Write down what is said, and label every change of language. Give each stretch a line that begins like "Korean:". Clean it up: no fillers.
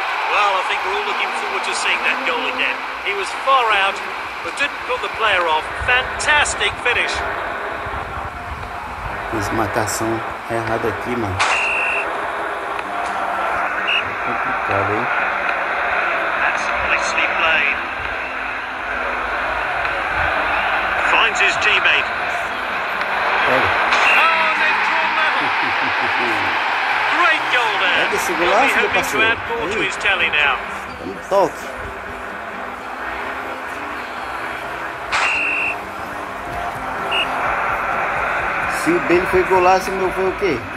English: Well, I think we're all looking forward to seeing that goal again. He was far out, but didn't put the player off. Fantastic finish.
Portuguese: Fiz marcação errada aqui, mano.
English: That's nicely played. Finds his teammate. Oh, they've drawn level. Great goal there. Let's see what else he'll be hoping to add more to his tally now.
Portuguese: Se o Ben foi golaço, meu foi o quê?